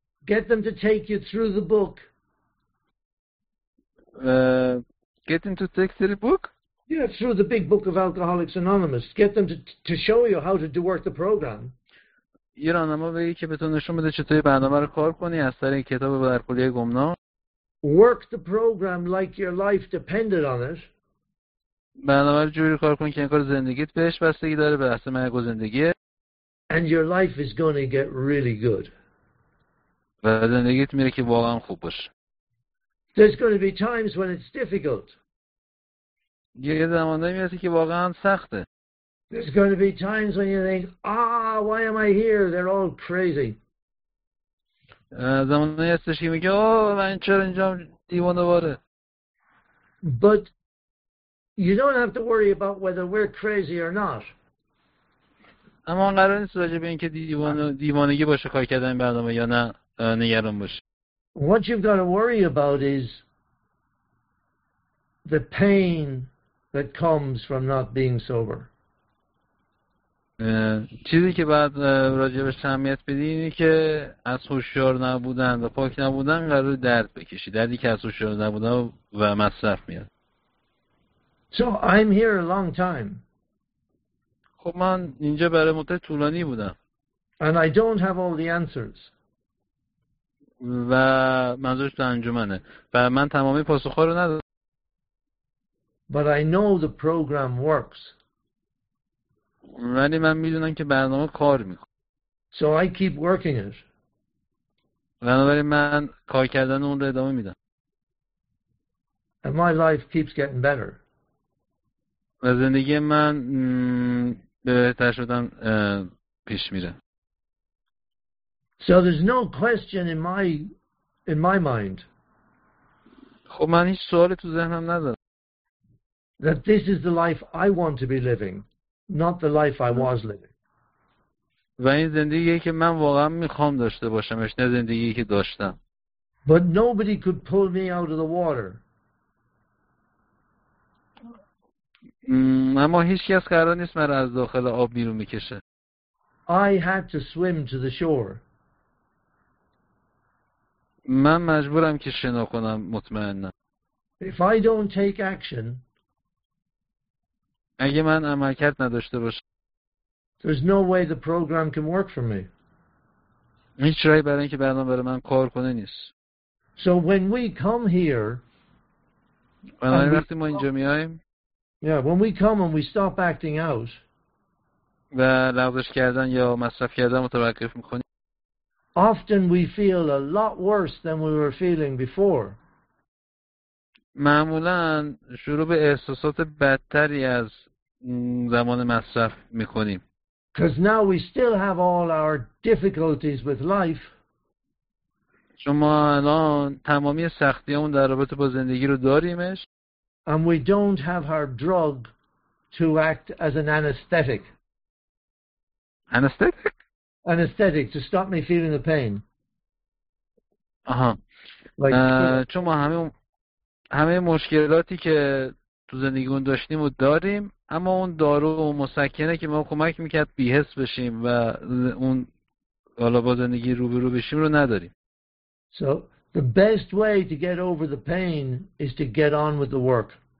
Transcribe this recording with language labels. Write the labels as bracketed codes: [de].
[en] Get them to take you through the book. Get them to take through the book? Yeah, through the big book of Alcoholics Anonymous. Get them to show you how to work the program. [fa] یه راهنما بگیر که به تو نشون بده چطوری برنامه رو کار کنی از طریق کتاب برکلیه گمنام. [en] Work the program like your life depended on it. [fa] بنابراین جوری کار کن که انگار زندگیت بهش بستگی داره، به اصل مرگ و زندگی. [en] And your life is going to get really good. [fa] و زندگیت میره که واقعا خوب باشه. [en] There's going to be times when it's difficult. [fa] یه زمانی میاد که واقعا سخته. [en] There's going to be times when you think, ah, why am I here? They're all crazy. [fa] زمانی هستش که میگه آه من چرا اینجام دیوانه واره. [en] But You don't have to worry about whether we're crazy or not. [fa] اما آن قرار نیست راجع به اینکه دیوانگی باشه کار کردن برنامه یا نه نگران باشه. [en] What you've got to worry about is the pain that comes from not being sober. [fa] چیزی که بعد راجع بهش اهمیت بدی اینه که از هوشیار نبودن و پاک نبودن قرار درد بکشی، دردی که از هوشیار نبودن و مصرف میاد. [en] So I'm here a long time. [fa] خب من اینجا برای مدت طولانی بودم. [en] And I don't have all the answers. [fa] و منظورش انجمنه. و من تمامی پاسخ‌ها رو ندارم. [en] But I know the program works. [fa] ولی من میدونم که برنامه کار میکنه. [en] So I keep working it. [fa] بنابراین من کار کردن اون رو ادامه میدم. [en] And my life keeps getting better. [fa] و زندگی من بهتر شدن پیش میره. [en] So there's no question in my mind. [fa] خب من هیچ سوالی تو ذهنم ندارم. [en] That this is the life I want to be living, not the life I was living. [fa] و این زندگیه که من واقعا میخوام داشته باشمش، نه زندگی که داشتم. [en] But nobody could pull me out of the water. [fa] اما هیچ کس قرار نیست مرا از داخل آب بیرون بکشه. [en] I had to swim to the shore. [fa] من مجبورم که شنا کنم مطمئنم. [en] If I don't take action, [fa] اگه من عملکرد نداشته باشم، [en] there's no way the program can work for me. [fa] هیچ راهی برای اینکه برنامه برای من کار کنه نیست. [en] So when we come here, [fa] بنابراین وقتی ما اینجا میاییم، [en] yeah, when we come and we stop acting out, [fa] و لغزش کردن یا مصرف کردن متوقف میکنیم، [en] often we feel a lot worse than we were feeling before. [fa] معمولا شروع به احساسات بدتری از زمان مصرف میکنیم. [en] Because now we still have all our difficulties with life. [fa] چون ما الان تمامی سختیامون در رابطه با زندگی رو داریمش. [en] And we don't have our drug to act as an anesthetic. Anesthetic? Anesthetic, to stop me feeling the pain. [fa] آها. Like, چون ما همه مشکلاتی که تو زندگیمون داشتیم و داریم، اما اون دارو و مسکنه که ما کمک میکرد بی‌حس بشیم و اون حالا با زندگی روبرو بشیم رو نداریم. [en] So the best way to get over the pain is to get on with the work.